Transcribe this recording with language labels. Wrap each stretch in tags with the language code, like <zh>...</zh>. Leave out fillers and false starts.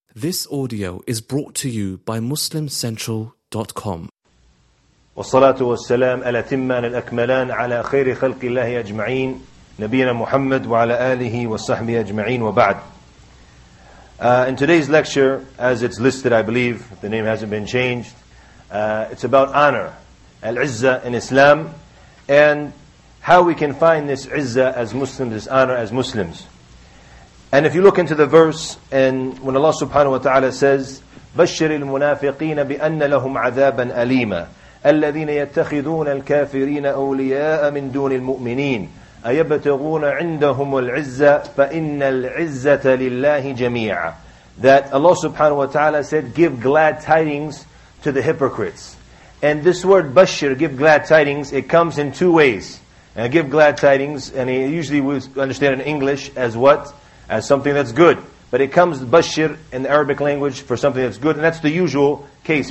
<en>This audio is brought to you by MuslimCentral.com.</en> <ar>والصلاة والسلام الأتمان الأكملان على خير خلق الله أجمعين نبينا محمد وعلى آله وصحبه أجمعين وبعد.</ar> <en>In today's lecture, as it's listed, I believe the name hasn't been changed. It's about honor, العزة in Islam, and how we can find this عزة as Muslims, this honor as Muslims. And if you look into the verse, and when Allah subhanahu wa ta'ala says,</en> <ar>بَشِّرِ الْمُنَافِقِينَ بِأَنَّ لَهُمْ عَذَابًا أَلِيمًا الَّذِينَ يَتَّخِذُونَ الْكَافِرِينَ أَوْلِيَاءَ مِنْ دُونِ الْمُؤْمِنِينَ أَيَبْتَغُونَ عِنْدَهُمُ الْعِزَّةَ فَإِنَّ الْعِزَّةَ لِلَّهِ جَمِيعًا.</ar> <en>That Allah subhanahu wa ta'ala said, give glad tidings to the hypocrites. And this word bashir, give glad tidings, it comes in two ways. And I give glad tidings, and usually we understand in English as what? As something that's good. But it comes bashir in the Arabic language for something that's good. And that's the usual case.</en>